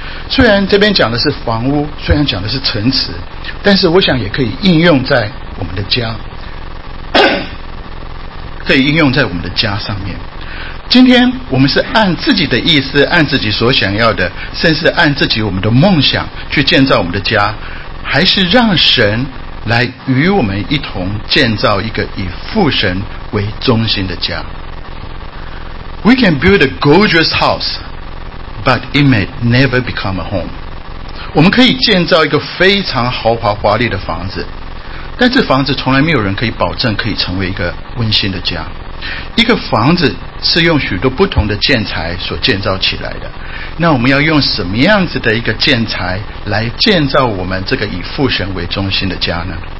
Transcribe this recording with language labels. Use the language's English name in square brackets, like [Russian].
[Chinese] 虽然这边讲的是房屋，虽然讲的是城池，但是我想也可以应用在我们的家可以应用在我们的家上面。今天我们是按自己的意思，按自己所想要的，甚至按自己我们的梦想去建造我们的家，还是让神来与我们一同建造一个以父神为中心的家？ [English] We can build a gorgeous house, but it may never become a home. [Chinese] 我们可以建造一个非常豪华华丽的房子，但这房子从来没有人可以保证可以成为一个温馨的家。一个房子是用许多不同的建材所建造起来的，那我们要用什么样子的一个建材来建造我们这个以父神为中心的家呢？